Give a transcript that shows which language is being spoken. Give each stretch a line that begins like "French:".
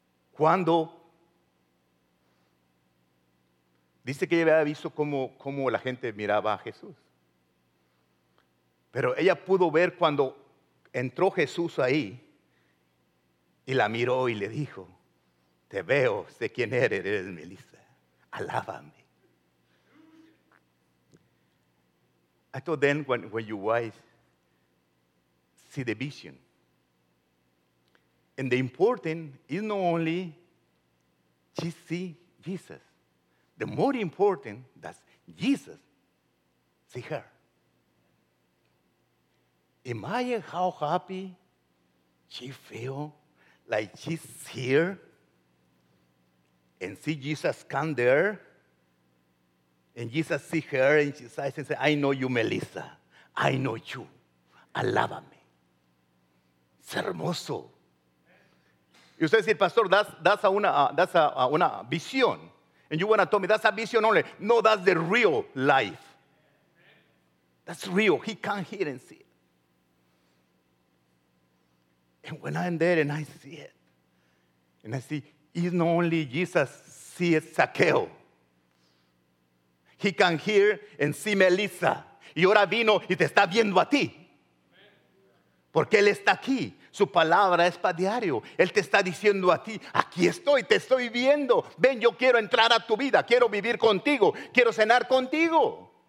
Spanish: Cuando dice que ella había visto cómo la gente miraba a Jesús. Pero ella pudo ver cuando entró Jesús ahí y la miró y le dijo, te veo, sé quién eres Melissa, alábame.
English: I thought then when you guys see the vision. And the important is not only to see Jesus. The more important that Jesus see her. Imagine how happy she feel like she's here and see Jesus come there. And Jesus see her and she says, and say, I know you, Melissa. I know you.
Spanish: Alábame. Es hermoso. Y usted dice, pastor,
English: that's a vision. And you want to tell me, that's a vision only. No, that's the real life. That's real. He can't hear and see it. And when I'm there and I see it, and I see, it's not only Jesus see it, Zaqueo. He can hear and see Melissa.
Spanish: Y ahora vino y te está viendo a ti. Porque Él está aquí. Su palabra es para diario. Él te está diciendo a ti, aquí estoy, te estoy viendo. Ven, yo quiero entrar a tu vida. Quiero vivir contigo. Quiero cenar contigo.